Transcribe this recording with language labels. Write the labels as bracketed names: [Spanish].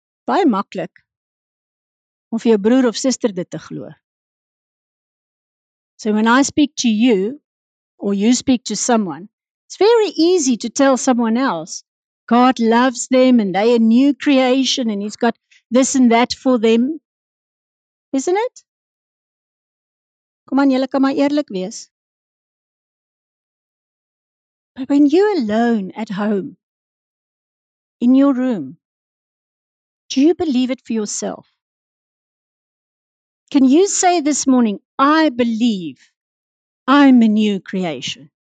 [Afrikaans] Baie maklik om vir jou broer of sister dit te glo. [English] So when I speak to you, or you speak to someone, it's very easy to tell someone else, God loves them and they are a new creation and He's got this and that for them. Isn't it? [Afrikaans] Kom aan, julle kan maar eerlik wees. [English] But when you alone at home, in your room, do you believe it for yourself? Can you say this morning, I believe I'm a new creation.